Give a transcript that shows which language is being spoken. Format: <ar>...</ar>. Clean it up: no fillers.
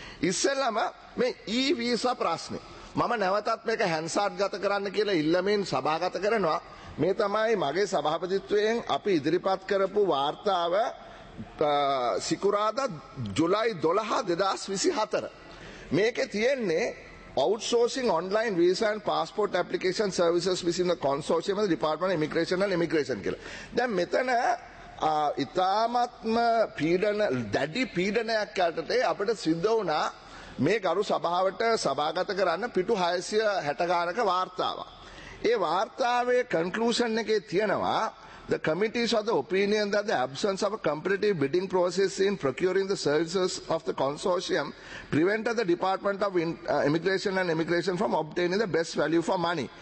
<si>ඉස්සෙල්ලාම මේ E-visa ප්‍රශ්නේ. මම නැවතත් මේක හැන්සාඩ් ගත කරන්න කියලා ඉල්ලමින් සභාගත කරනවා. මේ තමයි මගේ සභාපතිත්වයෙන් අපි ඉදිරිපත් කරපු වාර්තාව සිකුරාදා ජූලයි 12/2024. මේකේ තියෙන්නේ</si> <en>outsourcing online visa and passport application services within the consortium of the department of immigration and immigration</en> <si>කියලා. දැන් මෙතන ඉතාමත්ම පීඩන දැඩි පීඩනයක් යටතේ අපිට සිද්ධ වුණා මේ ගරු සභාවට සභාගත කරන්න පිටු 660 ගානක වාර්තාවක්. ඒ වාර්තාවේ conclusion එකේ තියෙනවා</si> <en>the committees of the opinion that the absence of a competitive bidding process in procuring the services of the consortium prevented the department of immigration and immigration from obtaining the best value for money.</en>